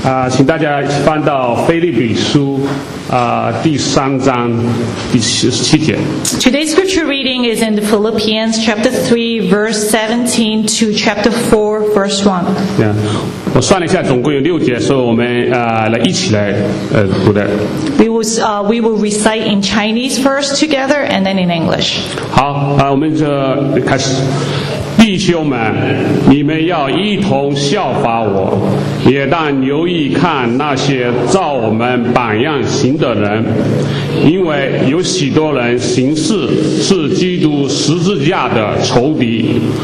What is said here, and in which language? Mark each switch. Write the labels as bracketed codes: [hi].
[zh] 请大家翻到腓立比书第三章第十七节。 [en] Today's scripture reading is in Philippians chapter 3, verse 17 to chapter 4, verse 1. Yeah. [zh] 我算了一下，总共有六节，所以我们来一起来读的。 [en] We will recite in Chinese first together and then in English. [zh] 好，我们就开始。弟兄们，你们要一同效法我，也当留意看那些照我们榜样行的人，因为有许多人行事是基督十字架的仇敌。